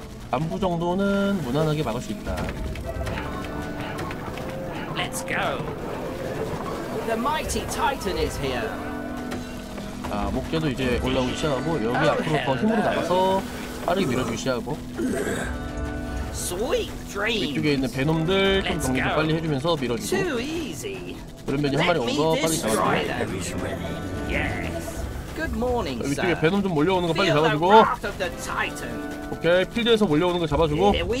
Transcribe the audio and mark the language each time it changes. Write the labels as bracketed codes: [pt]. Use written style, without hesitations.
[ko] 간부 정도는 무난하게 막을 수 있다. [en] Let's go. The mighty Titan is here. [ko] 아, 목재도 이제 올라오기 시작하고 여기 앞으로 더 힘으로 나가서 빠르게 밀어주기 시작하고 이쪽에 있는 배놈들 좀 정리 좀 빨리 해주면서 밀어주고 그러면 한 마리 오는 거 빨리 잡아주고 이쪽에 배놈 좀 몰려오는 거 빨리 잡아주고 오케이 필드에서 몰려오는 거 잡아주고